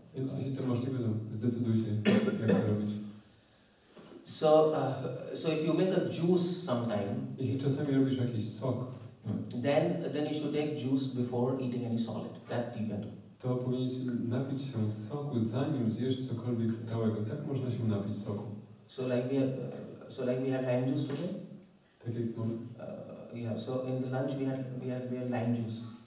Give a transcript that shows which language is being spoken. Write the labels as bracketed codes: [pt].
[pl] Więc jeśli to możliwe, to zdecydujcie, jak to robić. [en] So if you make a juice sometime, [pl] jeśli czasami robisz jakiś sok, [en] then you should take juice before eating any solid. That you can do. [pl] To powinieneś napić się soku zanim zjesz cokolwiek stałego. Tak można się napić soku. [en] So like we had lime juice today. [pl] Tak jak mamy. [en] So in the lunch we had lime juice.